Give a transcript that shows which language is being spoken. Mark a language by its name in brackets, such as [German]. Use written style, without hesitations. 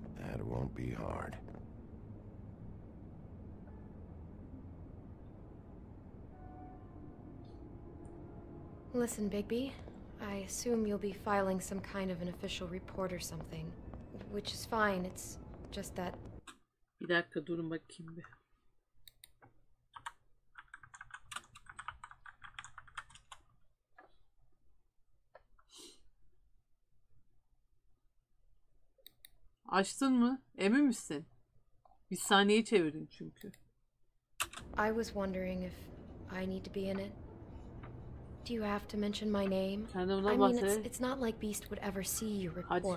[English] That won't be hard. Listen, Bigby. I assume you'll be filing some kind of an official report or something. Which is fine, it's just that... [Turkish] Bir dakika, durun bakayım bir. Açtın mı? Emin misin? Bir saniye çevirin çünkü. [English] I was wondering if I need to be in it. Do you have to mention my name? [Turkish] Kendimden [English] I mean, it's not like Beast would ever see your report.